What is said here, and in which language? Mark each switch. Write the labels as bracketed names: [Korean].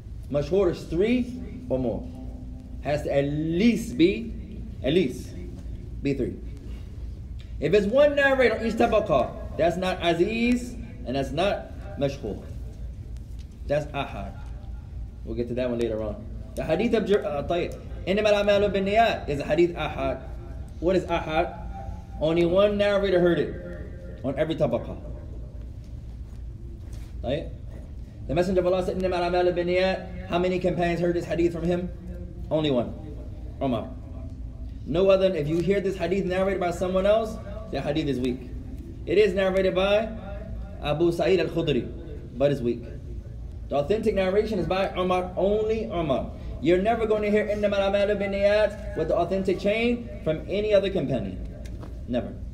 [English] Mashhur is three or more. Has to at least be three. If it's one narrator each tabaqa, that's not Aziz and that's not mashhur. That's ahad. We'll get to that one later on. The hadith of [Arabic] إنما الأعمال بالنيات [English] is a hadith ahad. What is ahad? Only one narrator heard it on every tabaqa. Right? The Messenger of Allah said, [Arabic] إنما الأعمال بالنيات. [English] How many companions heard this hadith from him? Only one. Umar. No other. If you hear this hadith narrated by someone else, the hadith is weak. It is narrated by Abu Sa'id al-Khudri, but it's weak. The authentic narration is by Umar, only Umar. You're never going to hear [Arabic] إنما الأعمال بالنيات [English] with the authentic chain from any other companion. Never.